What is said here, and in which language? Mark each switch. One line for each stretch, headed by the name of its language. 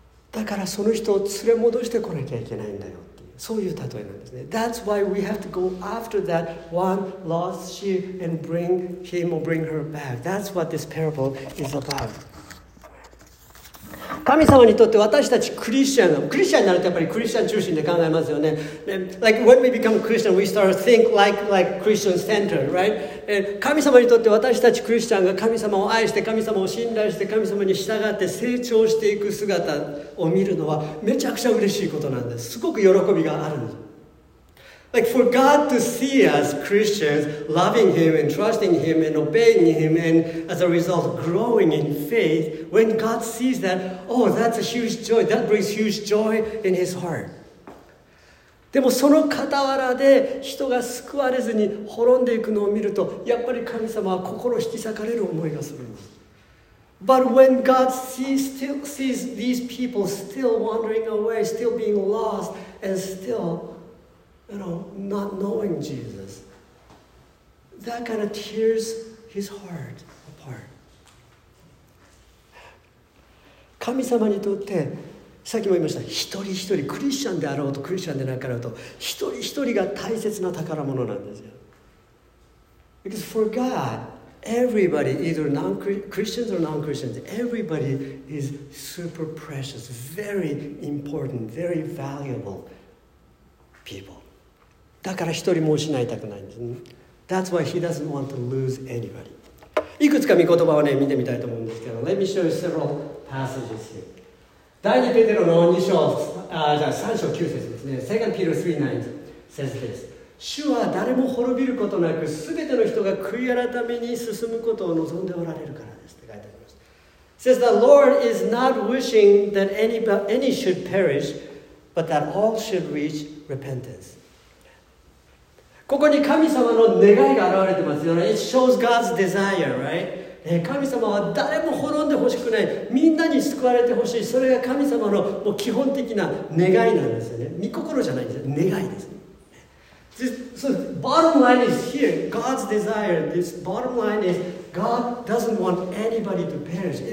Japanese: だからその人を連れ戻してこなきゃいけないんだよっていう。そういう例えなんですね。
English: That's why we have to go after that one lost sheep and bring him or bring her back. That's what this parable is about.
Japanese: 神様にとって私たちクリスチャン、クリスチャンになるとやっぱりクリスチャン中心で考えますよね。
English: Like when we become Christian, we start to think like Christian centered, right?
Japanese: 神様にとって私たちクリスチャンが神様を愛して、神様を信頼して、神様に従って成長していく姿を見るのはめちゃくちゃ嬉しいことなんです。すごく喜びがあるんです。
English: Like for God to see us Christians loving Him and trusting Him and obeying Him and as a result growing in faith, when God sees that, oh, that's a huge joy. That brings huge joy in His heart.
Japanese: でもその傍らで人が救われずに滅んでいくのを見ると、やっぱり神様は心引き裂かれる思いがするんです。
English: But when God still sees these people still wandering away, still being lost and still... You know, not knowing Jesus. That kind of tears his heart apart.
Japanese: 神様にとって、さっきも言いました、一人一人、クリスチャンであろうとクリスチャンでなかろうと、一人一人が大切な宝物なんですよ。
English: Because for God, everybody, either non-Christians or non-Christians, everybody is super precious, very important, very valuable people.
Japanese: だから一人も失いたくないんですね。
English: That's why he doesn't want to lose anybody.
Japanese: いくつか御言葉をね、見てみたいと思うんですけど、
English: Let me show you several passages here.
Japanese: 第2ペテロの2章、3章9節ですね。
English: 2 Peter 3:9 says this.
Japanese: 主は誰も滅びることなく、すべての人が悔い改めに進むことを望んでおられるからですって書いてあります。
English: It says, the Lord is not wishing that any should perish, but that all should reach repentance.
Japanese: ここに神様の願いが現れてますよね。
English: It shows God's desire, right?
Japanese: 神様は誰も滅んでほしくない。みんなに救われてほしい。それが神様のもう基本的な願いなんですよね。御心じゃないんですよ。願いです。
English: So, bottom line is here. God's desire. This bottom line is God doesn't want anybody to perish.